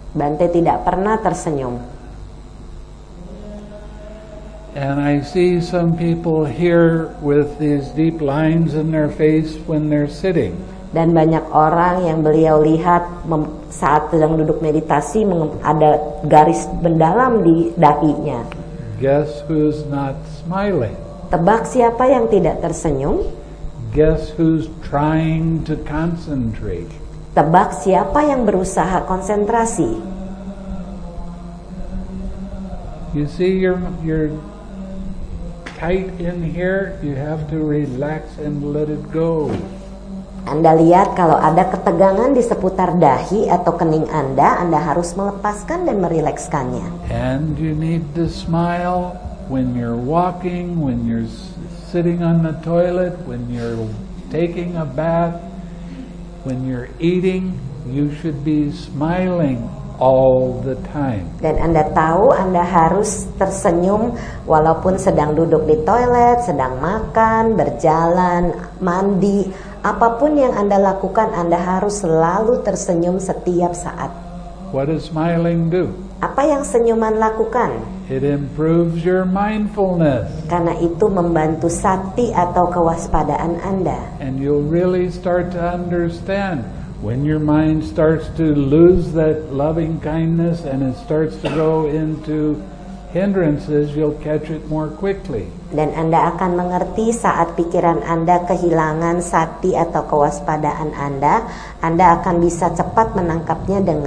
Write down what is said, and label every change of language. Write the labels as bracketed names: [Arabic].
[Indonesian] Bante tidak pernah tersenyum. [English] And I see some people here with these deep lines in their face when they're sitting. [Indonesian] Dan banyak orang yang beliau lihat saat sedang duduk meditasi ada garis mendalam di dahinya. [English] Guess who's not smiling? [Indonesian] Tebak siapa yang tidak tersenyum? [English] Guess who's trying to concentrate? [Indonesian] Tebak siapa yang berusaha konsentrasi? [English] You see, you're tight in here. You have to relax and let it go. [Indonesian] Anda lihat kalau ada ketegangan di seputar dahi atau kening Anda harus melepaskan dan merilekskannya. [English] And you need to smile when you're walking, when you're sitting on the toilet, when you're taking a bath, when you're eating, you should be smiling all the time. [Indonesian] Dan Anda tahu Anda harus tersenyum walaupun sedang duduk di toilet, sedang makan, berjalan, mandi. Apapun yang Anda lakukan, Anda harus selalu tersenyum setiap saat. [English] What does smiling do? [Indonesian] Apa yang senyuman lakukan? [English] It improves your mindfulness. [Indonesian] Karena itu membantu sati atau kewaspadaan Anda. [English] And you'll really start to understand when your mind starts to lose that loving kindness and it starts to go into hindrances, you'll catch it more quickly. [Indonesian] Dan Anda akan mengerti saat pikiran Anda kehilangan sati atau kewaspadaan Anda akan bisa cepat menangkapnya